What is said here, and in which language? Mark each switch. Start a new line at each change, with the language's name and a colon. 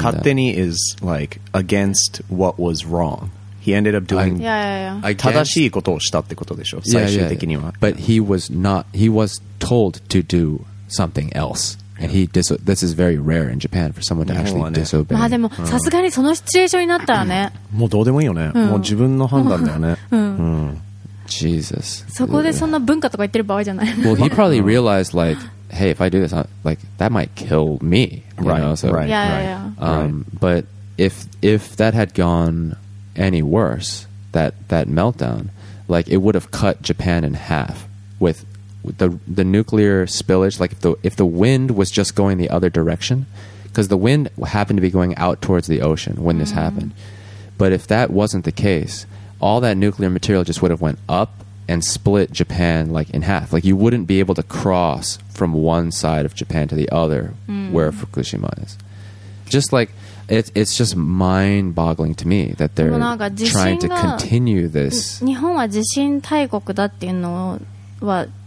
English: Katteni is like against what was wrong. He ended up doing Yeah. But he was told to do something else. And this is very rare in Japan for someone to actually disobey.
Japanese: まあでもさすがにそのシチュエーションになったらね、もうどうでもいいよね。もう自分の判断だよね。うん。Jesus. そこでそんな文化とか言ってる場合じゃない。Well,
English: he probably realized like, hey, if I do this, like that might kill me. But if that had gone any worse, that meltdown, like it would have cut Japan in half with the nuclear spillage. Like if the wind was just going the other direction, because the wind happened to be going out towards the ocean when this happened. But if that wasn't the case, all that nuclear material just would have went up and split Japan like in half. Like you wouldn't be able to cross from one side of Japan to the other where Fukushima is. Just like it's just mind-boggling to me that they're trying to continue this.
Japanese: 日本は地震大国だっていうのは